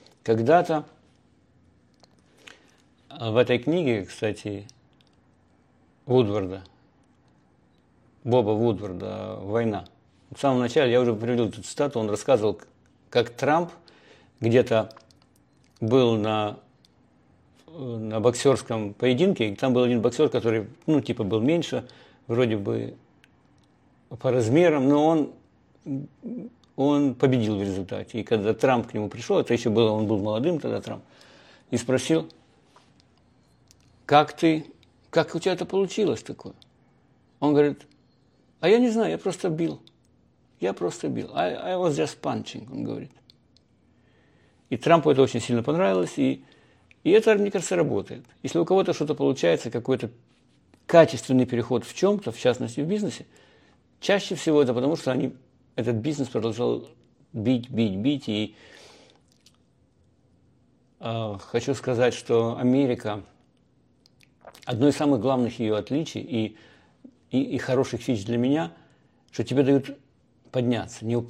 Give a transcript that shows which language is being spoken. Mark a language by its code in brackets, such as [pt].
[ru] Когда-то в этой книге, кстати, Вудварда, Боба Вудварда «Война», в самом начале, я уже приводил эту цитату, он рассказывал, как Трамп где-то был на боксерском поединке, и там был один боксер, который, ну, типа, был меньше, вроде бы по размерам, но он победил в результате. И когда Трамп к нему пришел, это еще было, он был молодым тогда, Трамп, и спросил, как у тебя это получилось такое? Он говорит, а я не знаю, я просто бил. [en] I was just punching, [ru] он говорит. И Трампу это очень сильно понравилось, и это, мне кажется, работает. Если у кого-то что-то получается, какой-то качественный переход в чем-то, в частности, в бизнесе, чаще всего это потому, что они... Этот бизнес продолжал бить. И хочу сказать, что Америка, одно из самых главных ее отличий и хороших фич для меня, что тебе дают подняться.